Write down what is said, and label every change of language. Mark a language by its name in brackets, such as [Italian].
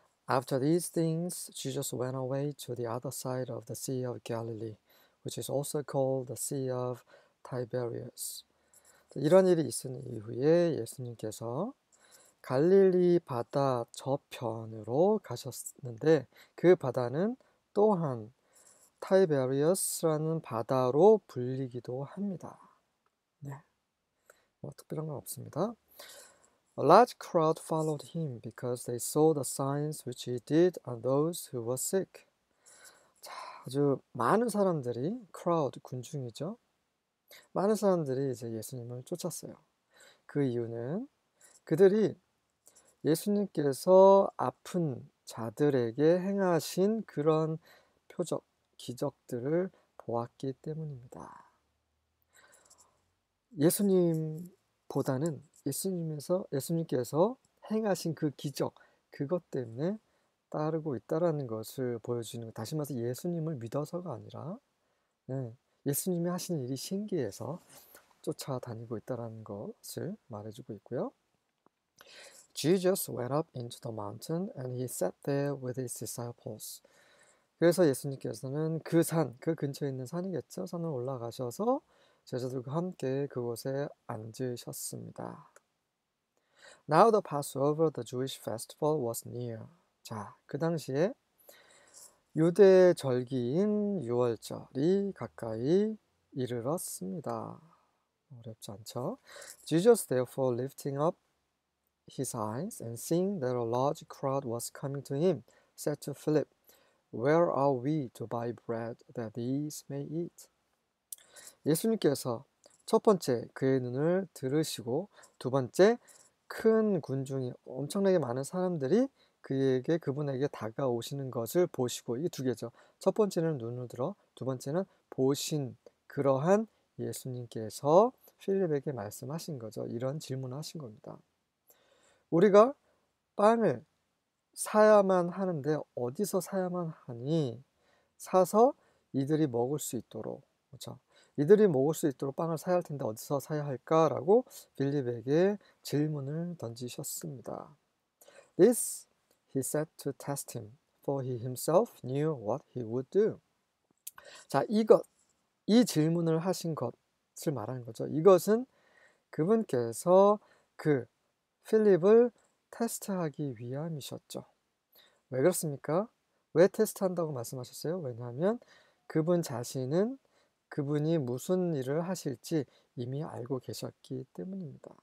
[English] After these things, Jesus went away to the other side of the Sea of Galilee, which is also called the Sea of Tiberias. [Korean] 이런 일이 있은 이후에 예수님께서 갈릴리 바다 저편으로 가셨는데, 그 바다는 또한 타이베리어스라는 바다로 불리기도 합니다. 뭐 특별한 건 없습니다. [English] A large crowd followed him because they saw the signs which he did on those who were sick. [Korean] 자, 아주 많은 사람들이, crowd, 군중이죠. 많은 사람들이 이제 예수님을 쫓았어요. 그 이유는 그들이 예수님께서 아픈 자들에게 행하신 그런 표적, 기적들을 보았기 때문입니다. 예수님보다는 예수님께서 행하신 그 기적, 그것 때문에 따르고 있다라는 것을 보여주는, 다시 말해서 예수님을 믿어서가 아니라, 네, 예수님이 하시는 일이 신기해서 쫓아다니고 있다라는 것을 말해주고 있고요. [English] Jesus went up into the mountain and he sat there with his disciples. [Korean] 그래서 예수님께서는 그 산, 그 근처에 있는 산이겠죠? 산을 올라가셔서 제자들과 함께 그곳에 앉으셨습니다. [English] Now the Passover, the Jewish festival was near. [Korean] 자, 그 당시에 유대 절기인 유월절이 가까이 이르렀습니다. 어렵지 않죠? [English] Jesus therefore lifting up his eyes and seeing that a large crowd was coming to him, said to Philip, "Where are we to buy bread that these may eat?" [Korean] 예수님께서 첫 번째 그의 눈을 들으시고 두 번째 큰 군중이 엄청나게 많은 사람들이 그분에게 다가오시는 것을 보시고, 이게 두 개죠. 첫 번째는 눈을 들어, 두 번째는 보신, 그러한 예수님께서 필립에게 말씀하신 거죠. 이런 질문을 하신 겁니다. 우리가 빵을 사야만 하는데 어디서 사야만 하니? 사서 이들이 먹을 수 있도록, 그렇죠? 이들이 먹을 수 있도록 빵을 사야 할 텐데 어디서 사야 할까라고 빌립에게 질문을 던지셨습니다. [English] This he said to test him, for he himself knew what he would do. [Korean] 자, 이것, 이 질문을 하신 것을 말하는 거죠. 이것은 그분께서 그 빌립을 테스트하기 위함이셨죠. 왜 그렇습니까? 왜 테스트한다고 말씀하셨어요? 왜냐하면 그분 자신은 그분이 무슨 일을 하실지 이미 알고 계셨기 때문입니다.